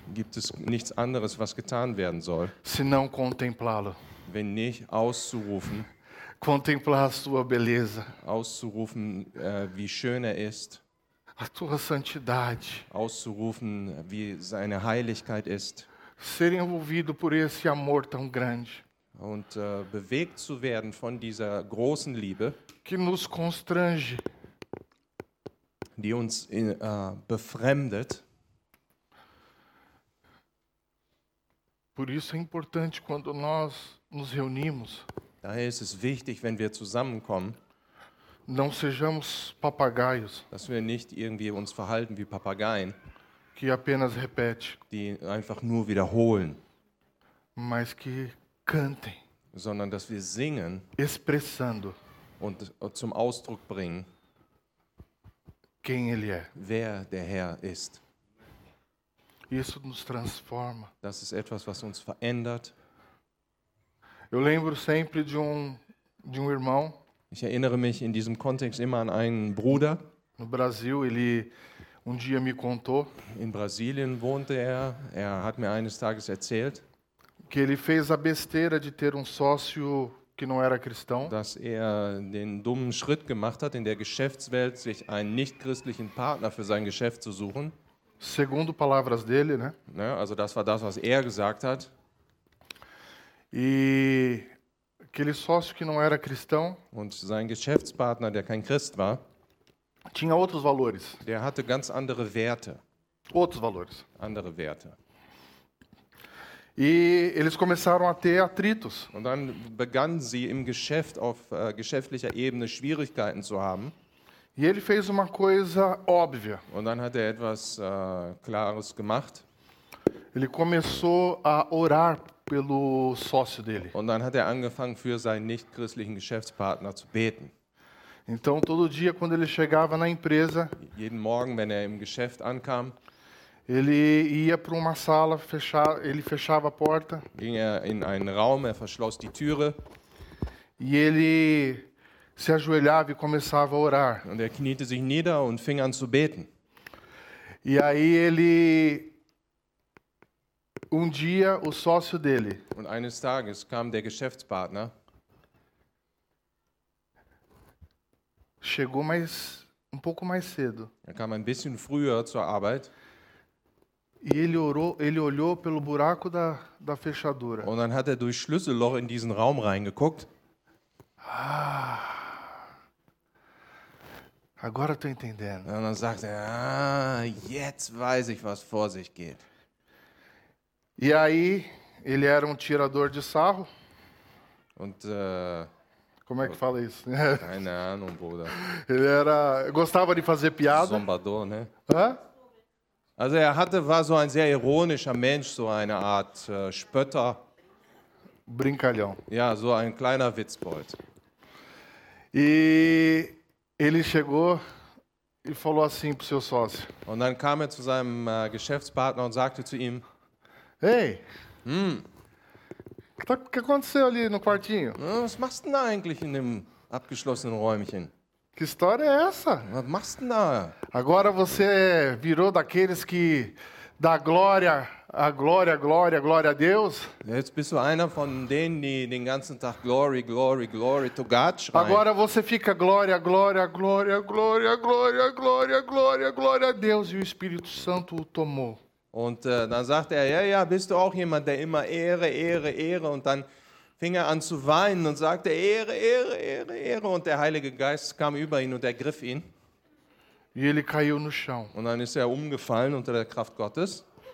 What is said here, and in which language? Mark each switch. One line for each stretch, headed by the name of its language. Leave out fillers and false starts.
German: gibt es nichts anderes, was getan werden soll,
Portuguese: senão contemplá-lo,
German: wenn nicht auszurufen,
Portuguese: contemplar a sua beleza,
German: auszurufen, wie schön er ist,
Portuguese: a tua santidade,
German: auszurufen, wie seine Heiligkeit ist,
Portuguese: ser envolvido por esse amor tão grande,
German: und bewegt zu werden von dieser großen Liebe,
Portuguese: que nos constrange,
German: die uns befremdet.
Portuguese: Por isso é importante quando nós nos reunimos,
German: daher ist es wichtig, wenn wir zusammenkommen,
Portuguese: não sejamos papagaios,
German: dass wir nicht irgendwie uns verhalten wie Papageien,
Portuguese: que apenas repete,
German: die einfach nur wiederholen,
Portuguese: mas que cantem,
German: sondern dass wir singen,
Portuguese: expressando,
German: und zum Ausdruck bringen,
Portuguese: quem ele é,
German: wer der Herr ist.
Portuguese: Isso nos transforma.
German: Das ist etwas, was uns verändert.
Portuguese: Eu lembro sempre de um irmão.
German: Ich erinnere mich in diesem Kontext immer an einen Bruder.
Portuguese: No Brasil, ele dia me contou.
German: In Brasilien wohnte er. Er hat mir eines Tages erzählt,
Portuguese: que ele fez a besteira de ter sócio que não era cristão.
German: Dass er den dummen Schritt gemacht hat in der Geschäftswelt, sich einen nichtchristlichen Partner für sein Geschäft zu suchen.
Portuguese: Segundo palavras dele, né?
German: Ja, also das war das, was gesagt hat.
Portuguese: E aquele sócio que não era cristão,
German: und sein Geschäftspartner, der kein Christ war,
Portuguese: tinha outros valores.
German: Der hatte ganz andere Werte.
Portuguese: Outros valores.
German: Andere Werte.
Portuguese: E eles começaram a ter atritos.
German: Und dann begannen sie im Geschäft auf geschäftlicher Ebene Schwierigkeiten zu haben.
Portuguese: E ele fez uma coisa óbvia.
German: Und dann hat etwas Klares gemacht.
Portuguese: Ele começou a orar pelo sócio dele.
German: Und dann hat angefangen, für seinen nichtchristlichen Geschäftspartner zu beten.
Portuguese: Então, todo dia, quando ele chegava na empresa,
German: jeden Morgen, wenn im Geschäft ankam,
Portuguese: ele ia para uma sala, ele fechava a porta,
German: ging in einen Raum, verschloss die Türe,
Portuguese: e ele se ajoelhava e começava a orar.
German: Und kniete sich nieder und fing an zu beten.
Portuguese: E aí ele dia o sócio dele.
German: Und eines Tages kam der Geschäftspartner.
Portuguese: Chegou mais um pouco mais cedo.
German: Er kam ein bisschen früher zur Arbeit.
Portuguese: E ele orou, ele olhou pelo buraco da fechadura.
German: Und dann hat durchs Schlüsselloch in diesen Raum reingeguckt. Ah.
Portuguese: Agora tô entendendo.
German: Und dann sagt er, jetzt weiß ich, was vor sich geht.
Portuguese: E aí, ele era tirador de sarro.
German: Und,
Portuguese: como é que fala isso?
German: Keine Ahnung, Bruder.
Portuguese: Ele era, gostava de fazer piada. Zombador, né? Hã?
German: Also war so ein sehr ironischer Mensch, so eine Art Spötter.
Portuguese: Brincalhão.
German: Ja, so ein kleiner Witzbold.
Portuguese: E ele chegou e falou assim pro seu sócio.
German: Und dann kam zu seinem Geschäftspartner und sagte zu ihm:
Portuguese: Ei,
German: hey.
Portuguese: Que aconteceu ali no quartinho?
German: Was machst du denn da eigentlich in dem abgeschlossenen Räumchen?
Portuguese: Que história é essa?
German: Was machst du denn da?
Portuguese: Agora você virou daqueles que dá glória Ah, glória, glória, glória a Deus.
German: Jetzt bist du einer von denen, die den ganzen Tag
English: Glory, Glory, Glory to God
German: schreien.
Portuguese: Agora você fica glória, glória, glória, glória, glória, glória, glória, glória a Deus e o Espírito Santo o tomou.
German: Und dann sagt er, ja, ja, bist du auch jemand, der immer Ehre, Ehre, Ehre, und dann fing er an zu weinen und sagte Ehre, Ehre, Ehre, Ehre, und der Heilige Geist kam über ihn und ergriff ihn.
Portuguese: E ele caiu no chão.
German: Und dann ist er umgefallen unter der Kraft Gottes.